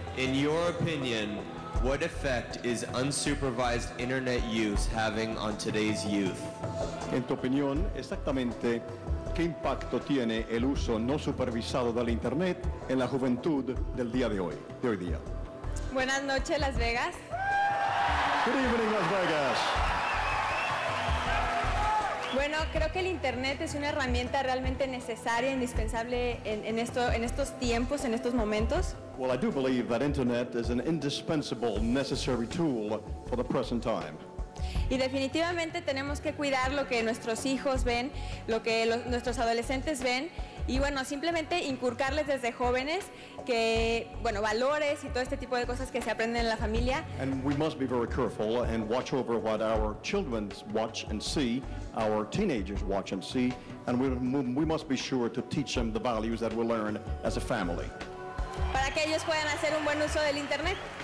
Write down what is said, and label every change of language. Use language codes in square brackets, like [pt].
[en] In your opinion, what effect is unsupervised internet use having on today's youth? [es] En tu opinión, exactamente, ¿qué impacto tiene el uso no supervisado del internet en la juventud del día de hoy, de hoy día? Buenas noches, Las Vegas. [en] Good evening, Las Vegas. [es] Bueno, creo que el internet es una herramienta realmente necesaria, indispensable en estos tiempos, en estos momentos. [en] Well, I do believe that internet is an indispensable, necessary tool for the present time. [es] Y definitivamente tenemos que cuidar lo que nuestros hijos ven, lo que nuestros adolescentes ven, y bueno, simplemente inculcarles desde jóvenes que, bueno, valores y todo este tipo de cosas que se aprenden en la familia. [en] And we must be very careful and watch over what our children watch and see, our teenagers watch and see, and we must be sure to teach them the values that we learn as a family. [es] Para que ellos puedan hacer un buen uso del internet.